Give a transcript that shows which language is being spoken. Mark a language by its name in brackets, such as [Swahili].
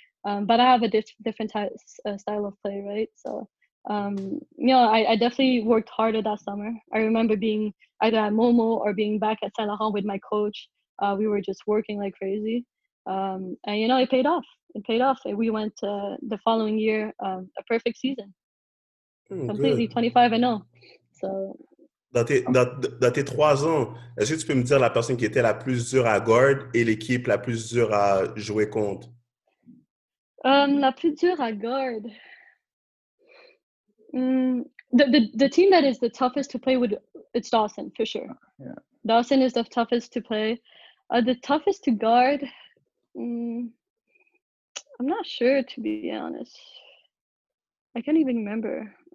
[English] But I have a different style of play, right? So, you know, I definitely worked harder that summer. I remember being either at Momo or being back at Saint Laurent with my coach, We were just working like crazy. And, you know, it paid off. It paid off. We went the following year, a perfect season. Completely 25-0. So, [French] dans tes trois ans, est-ce que tu peux me dire la personne qui était la plus dure à guard et l'équipe la plus dure à jouer contre? La plus dure à guard. [English] The team that is the toughest to play with, it's Dawson, for sure. Yeah. Dawson is the toughest to play. The toughest to guard, I'm not sure, to be honest. I can't even remember.